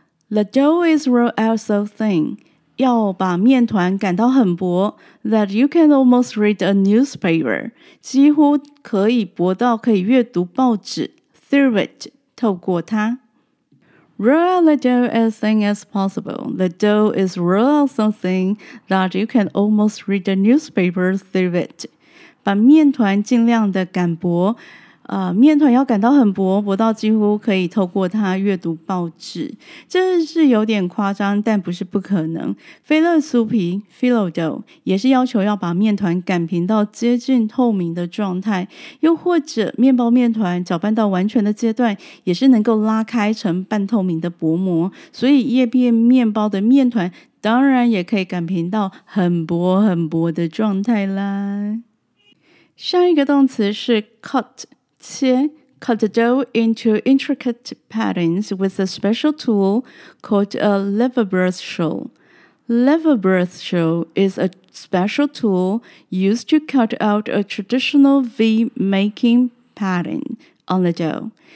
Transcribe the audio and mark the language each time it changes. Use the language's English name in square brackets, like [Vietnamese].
[English] The dough is rolled out so thin, [Chinese] 要把面团擀到很薄, [English] that you can almost read a newspaper, [Chinese] 几乎可以薄到可以阅读报纸, [English] through it, [Chinese] 透过它。 [English] Roll out the dough as thin as possible. The dough is rolled out so thin that you can almost read the newspaper through it. [Chinese] 把面团尽量的擀薄，面团要擀到很薄，薄到几乎可以透过它阅读报纸。这是有点夸张，但不是不可能。菲勒酥皮 （filo dough） 也是要求要把面团擀平到接近透明的状态，又或者面包面团搅拌到完全的阶段，也是能够拉开成半透明的薄膜。所以叶片面包的面团当然也可以擀平到很薄很薄的状态啦。下一个动词是 cut。 [English] 切 cut the dough into intricate patterns with a special tool called a level broth shawl. Level broth shawl is a special tool used to cut out a traditional V-making pattern on the dough.